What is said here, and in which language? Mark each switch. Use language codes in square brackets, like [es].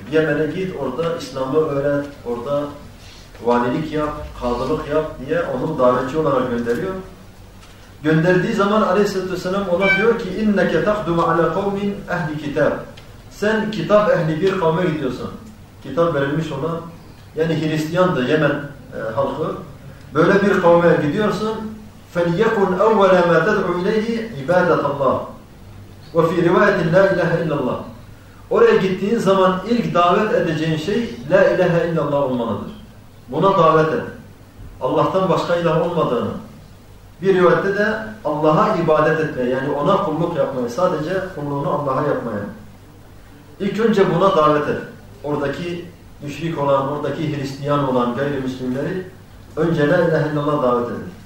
[tr] Yemen'e git, orada İslam'ı öğren, orada valilik yap, kadılık yap diye onu davetçi olarak gönderiyor. Gönderdiği zaman Aleyhisselatü Vesselam ona diyor ki [ar] اِنَّكَ تَخْدُمَ عَلَى قَوْمٍ اَهْلِ كِتَابٍ [tr] Sen kitap ehli bir kavme gidiyorsun. Kitap verilmiş ona, yani Hristiyan'dı Yemen halkı. Böyle bir kavme gidiyorsun. [ar] فَلْيَكُنْ اَوَّلَ مَا تَدْعُوا اِلَيْهِ عِبَادَةَ اللّٰهِ وَفِي رِوَيَةٍ لَا اِلَهَ اِلَّا اللّٰهِ [tr] Oraya gittiğin zaman ilk davet edeceğin şey La ilahe illallah olmalıdır. Buna davet et. Allah'tan başka ilah olmadığını. Bir rivayette de Allah'a ibadet etmeye, yani ona kulluk yapmaya, sadece kulluğunu Allah'a yapmaya. İlk önce buna davet et. Oradaki müşrik olan, oradaki Hristiyan olan gayrimüslimleri önce la ilahe illallah davet edin.